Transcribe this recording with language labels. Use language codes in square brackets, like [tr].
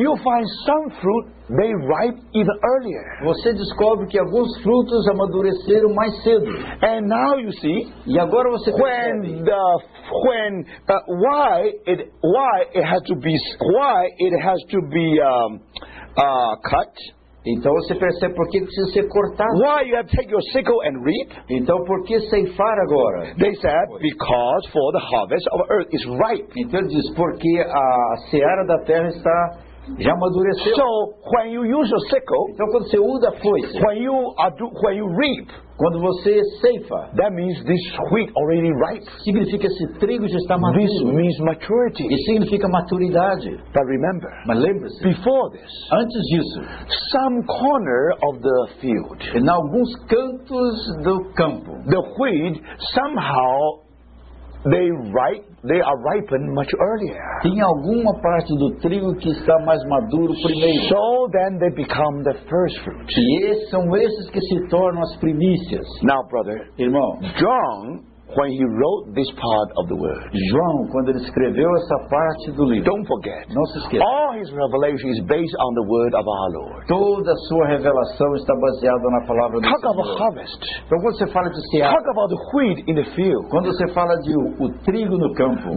[en] you find some fruit they ripe even earlier. [pt] Você descobre que alguns frutos amadureceram mais cedo. [en] And now you see, [pt] e agora você [en] when the when why it has to be cut [pt] Então você percebe por que precisa ser cortado? [en] Why you have to take your sickle and reap? [pt] Então por que ceifar agora? [en] They said because for the harvest of earth is ripe. [pt] Então ele diz porque a seara da terra está já amadureceu. [en] So when you use your sickle, [pt] então quando você usa a foice, [en] when you reap, [pt] quando você ceifa, [en] that means this wheat already ripe. [pt] Significa esse trigo já está maduro. [en] This means maturity. [pt] E significa maturidade. [en] But remember, [pt] mas lembre-se, [en] before this, [pt] antes disso, [en] some corner of the field, [pt] em alguns cantos do campo, [en] the wheat somehow they are ripened much earlier. [pt] Tem alguma parte do trigo que está mais maduro primeiro. [en] So then they become the first fruits. [pt] E esses são esses que se tornam as primícias. [en] Now, brother, [pt] irmão, [en] John, when he wrote this part of the word, [pt] João, quando ele escreveu essa parte do livro, [en] don't forget, [pt] não se esqueça, [en] all his revelation is based on the word of our Lord. [pt] Toda a sua revelação está baseada na palavra do [en] talk [pt] Senhor. [en] Talk about harvest. [pt] Então quando você fala de seara, [en] talk about the wheat in the field. [pt] Quando você fala de o trigo no campo,